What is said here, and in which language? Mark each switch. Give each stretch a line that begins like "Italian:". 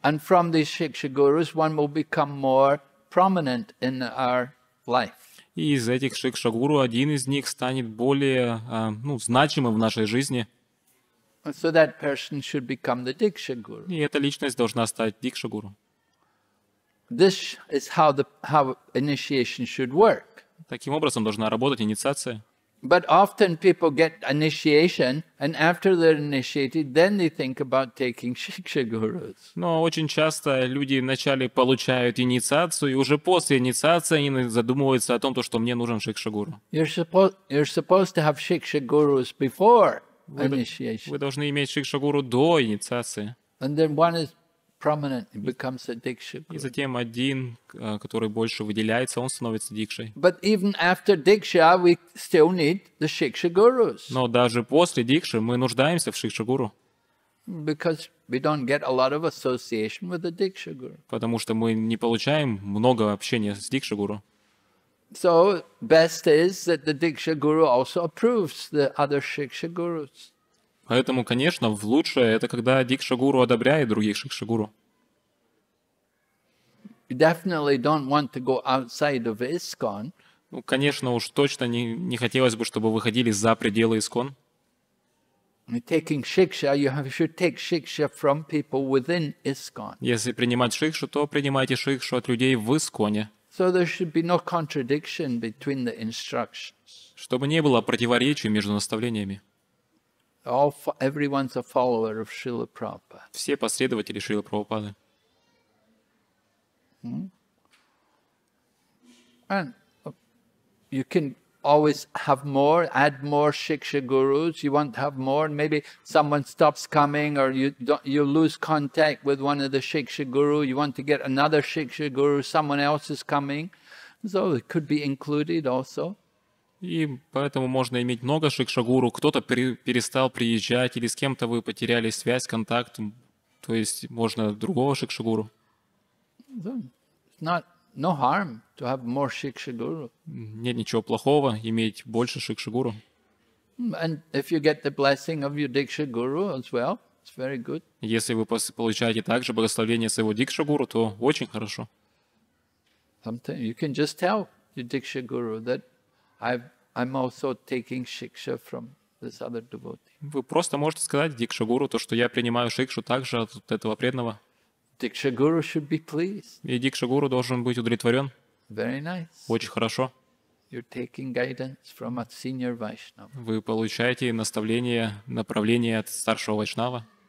English: And from these shiksha gurus, one will become more prominent in our life.
Russian: И из этих шикша гуру один из них станет более значимым в нашей жизни.
English: So that person should become the diksha guru.
Russian: И эта личность должна стать дикша гуру.
English: This is how initiation should work.
Russian: Таким образом должна работать инициация.
English: But often people get initiation, and after they're initiated, then they think about taking shiksha gurus.
Russian: Но очень часто люди вначале получают инициацию, и уже после инициации они задумываются о том, то что мне нужен шикша гуру.
English: You're supposed to have shiksha gurus before.
Russian: Вы должны иметь шикша гуру до инициации.
English: And then one is prominent and becomes a diksha guru.
Russian: И затем один, который больше выделяется, он становится дикшей.
English: But even after diksha, we still need the shiksha gurus.
Russian: Но даже после дикши мы нуждаемся в шикша гуру.
English: Because we don't get a lot of association with the diksha guru.
Russian: Потому что мы не получаем много общения с дикша гуру.
English: So best is that the diksha guru also approves the other shiksha gurus.
Russian: Поэтому, конечно, в лучшее это когда дикша гуру одобряет других шикша гуру.
English: Definitely don't want to go outside of ISKCON.
Russian: Ну, конечно, уж точно не хотелось бы, чтобы выходили за пределы ISKCON.
English: Taking shiksha, you should take shiksha from people within ISKCON.
Russian: Если принимать шикшу, то принимайте шикшу от людей в ISKCON-е.
English: So there should be no contradiction between the instructions.
Russian: Чтобы не было противоречий между наставлениями.
English: Everyone's a follower of Srila Prabhupada.
Russian: Все последователи Шрилы Прабхупады.
English: And you can always have more, add more shiksha gurus. You want to have more, maybe someone stops coming or you lose contact with one of the shiksha guru, you want to get another shiksha guru, someone else is coming, so it could be included also.
Russian: И поэтому можно иметь много шикша гуру, кто-то перестал приезжать или с кем-то вы потеряли связь, контакт, то есть можно другого шикша гуру.
English: No harm to have more shiksha guru.
Russian: Нет ничего плохого иметь больше шикша гуру.
English: And if you get the blessing of your diksha guru as well, it's very good.
Russian: Если вы получаете также благословение своего дикша гуру, то очень хорошо.
English: Sometimes you can just tell your diksha guru that I'm also taking shiksha from this other devotee.
Russian: Вы просто можете сказать дикша гуру то, что я принимаю шикшу также от этого преданного.
English: Diksha guru should be pleased.
Russian: И дикша гуру должен быть удовлетворен.
English: Very nice.
Russian: Очень хорошо.
English: You're taking guidance from a senior Vaishnava.
Russian: Вы получаете наставление, направление от старшего вайшнава.